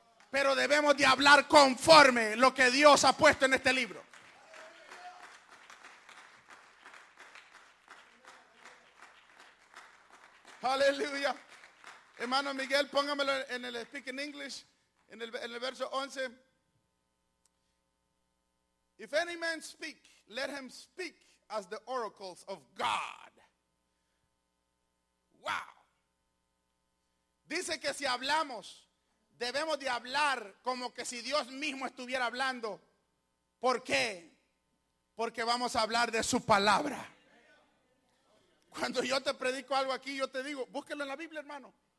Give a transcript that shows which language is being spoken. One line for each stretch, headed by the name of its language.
Spanish: Pero debemos de hablar conforme lo que Dios ha puesto en este libro. Aleluya. Hermano Miguel, póngamelo en el
English: Speak in English,
Spanish: en el verso 11.
English: If any man speak, let him speak as the oracles of God. Wow.
Spanish: Dice que si hablamos, debemos de hablar como que si Dios mismo estuviera hablando. ¿Por qué? Porque vamos a hablar de su palabra. Cuando yo te predico algo aquí, yo te digo, búsquelo en la Biblia, hermano.